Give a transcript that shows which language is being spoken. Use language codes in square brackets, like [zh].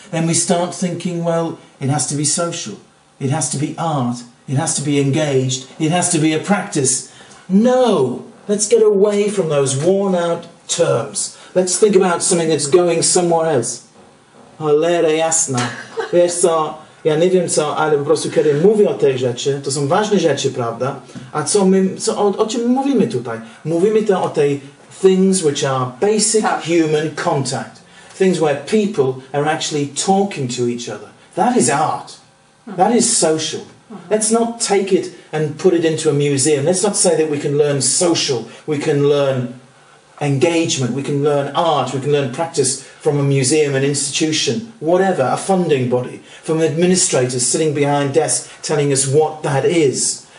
[en] Then we start thinking, well, it has to be social. It has to be art, it has to be engaged, it has to be a practice. No! Let's get away from those worn out terms. Let's think about something that's going somewhere else. [pl] Cholera jasna. Wiesz co, ja nie wiem co, ale po prostu kiedy mówię o tej rzeczy, to są ważne rzeczy, prawda? A co my, co, o czym mówimy tutaj? Mówimy to o tej [en] things which are basic human contact. Things where people are actually talking to each other. That is art. That is social. Let's not take it and put it into a museum. Let's not say that we can learn social, we can learn engagement, we can learn art, we can learn practice from a museum, an institution, whatever, a funding body, from administrators sitting behind desks telling us what that is.